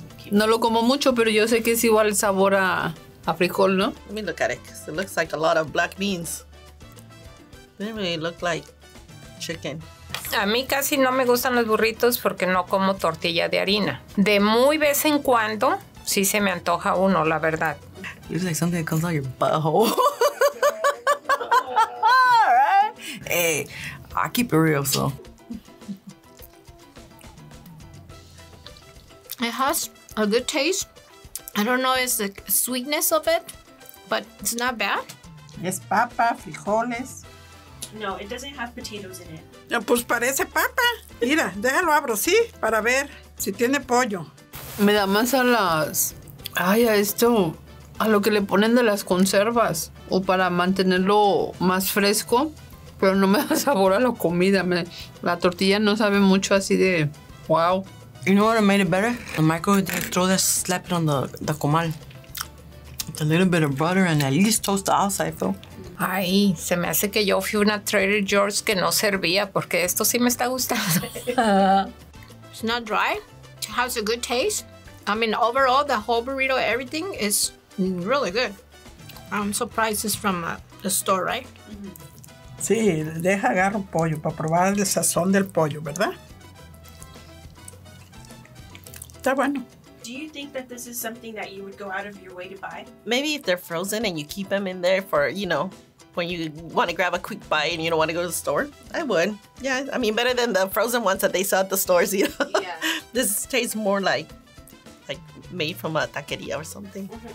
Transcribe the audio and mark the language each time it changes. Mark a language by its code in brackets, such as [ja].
[es] No lo como mucho, pero yo sé que es igual sabor a frijol, ¿no? [en] Let me look at it, because it looks like a lot of black beans. Doesn't really look like chicken. [es] A mí casi no me gustan los burritos porque no como tortilla de harina. De muy vez en cuando, sí se me antoja uno, la verdad. [en] Looks like something that comes out your butthole. Hey, I keep it real, so... It has a good taste. I don't know if it's the sweetness of it, but it's not bad. [es] Es papa, frijoles. [en] No, it doesn't have potatoes in it. [es] Pues parece papa. Mira, déjalo abro, sí, para ver si tiene pollo. Me da más a las... Ay, a esto. A lo que le ponen de las conservas. O para mantenerlo más fresco. Pero no me da sabor a la comida. La tortilla no sabe mucho así de... Wow. [en] You know what made it better? The microwave throw that slap it on the comal. It's a little bit of butter and at least toast the outside, Phil. [es] Ay, se me hace que yo fui una Trader Joe's que no servía porque esto sí me está gustando. [en] It's not dry. It has a good taste. I mean, overall, the whole burrito, everything is really good. I'm surprised it's from the store, right? [es] Sí, deja agarro pollo para probar el sazón del pollo, ¿verdad? Está bueno. [en] Do you think that this is something that you would go out of your way to buy? Maybe if they're frozen and you keep them in there for, you know, when you want to grab a quick bite and you don't want to go to the store. I would. Yeah, I mean, better than the frozen ones that they sell at the stores, you know. Yeah. This tastes more like made from a taqueria or something.